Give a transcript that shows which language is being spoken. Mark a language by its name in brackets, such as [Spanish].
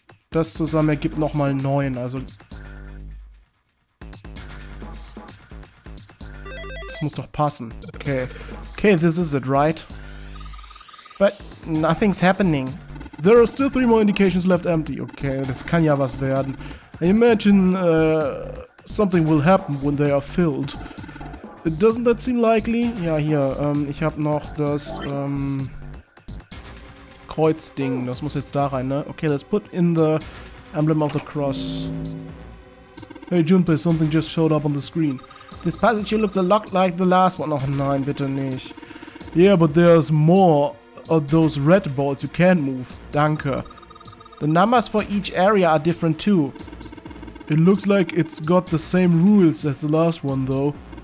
[German] Das zusammen ergibt noch mal 9. Also das muss doch passen. [English] Okay, this is it, right? But nothing's happening. There are still 3 more indications left empty. [German] Okay, das kann ja was werden. [English] I imagine something will happen when they are filled. Doesn't that seem likely? [German] Ja, hier. Ich habe noch das Kreuzding, das muss jetzt da rein, ne? [English] Okay, let's put in the emblem of the cross. Hey Junpei, something just showed up on the screen. This passage looks a lot like the last one. [German] Oh nein, bitte nicht. [English] Yeah, but there's more of those red balls you can't move. [German] Danke. [English] The numbers for each area are different too. It looks like it's got the same rules as the last one though.